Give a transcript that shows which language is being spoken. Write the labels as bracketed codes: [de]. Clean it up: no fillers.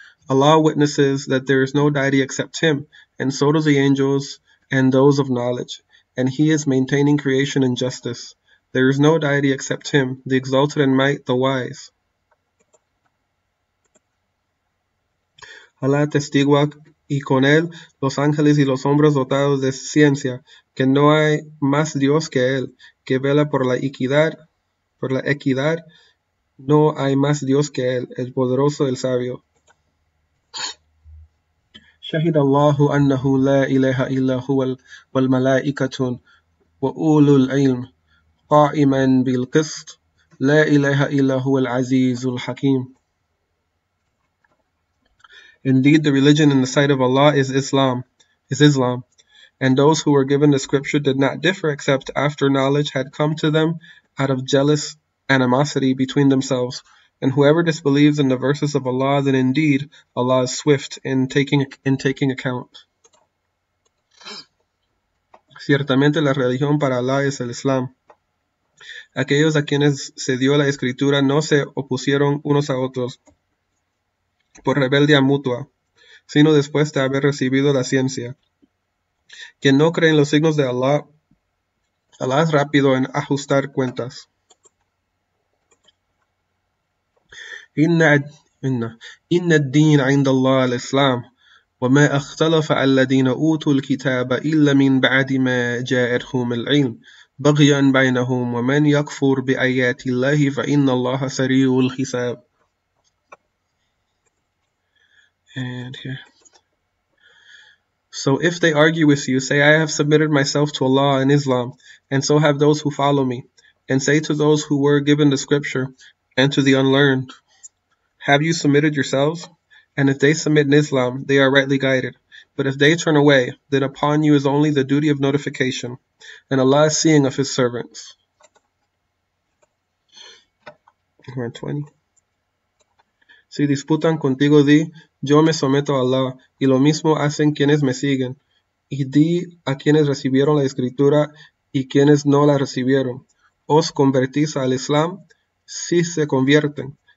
[en] Allah witnesses that there is no deity except Him, and so do the angels and those of knowledge, and He is maintaining creation and justice. There is no deity except Him, the exalted in might, the wise. [es] Alá testigua y con él los ángeles y los hombres dotados de ciencia, que no hay más Dios que él, que vela por la equidad, no hay más Dios que él, el poderoso, el sabio. [ar] شهد الله أنه لا إله إلا هو والملائكة وأولو العلم قائما بالقسط لا إله إلا هو العزيز الحكيم. [en] Indeed, the religion in the sight of Allah is Islam, and those who were given the scripture did not differ except after knowledge had come to them out of jealous animosity between themselves. And whoever disbelieves in the verses of Allah, then indeed Allah is swift in taking account. [es] Ciertamente la religión para Allah es el Islam. Aquellos a quienes se dio la escritura no se opusieron unos a otros por rebeldía mutua, sino después de haber recibido la ciencia. Quien no cree en los signos de Allah, Allah es rápido en ajustar cuentas. [ar] إن الدين عند الله الإسلام وما اختلف الذين أوتوا الكتاب إلا من بعد ما جاءتهم العلم بغيا بينهم ومن يكفر بآيات الله فإن الله سريع الحساب. [en] And here. So if they argue with you, say, I have submitted myself to Allah and Islam, and so have those who follow me. And say to those who were given the scripture and to the unlearned, have you submitted yourselves? And if they submit in Islam, they are rightly guided. But if they turn away, then upon you is only the duty of notification, and Allah is seeing of his servants. 20. [es] Si disputan contigo, di, yo me someto a Allah, y lo mismo hacen quienes me siguen. Y di a quienes recibieron la escritura y quienes no la recibieron. Os convertís al Islam si se convierten.